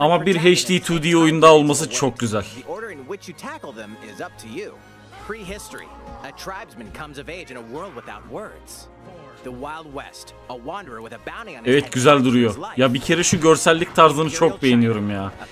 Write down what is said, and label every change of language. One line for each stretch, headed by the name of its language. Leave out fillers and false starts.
Turkish: Ama bir HD 2D oyunda olması çok güzel.
English: The order in which you tackle them is up to you. Prehistory. A tribesman comes of age in a world without words. The Wild West. A wanderer with a bounty on his head.
Turkish: Evet, güzel duruyor. Ya bir kere şu görsellik tarzını çok beğeniyorum ya.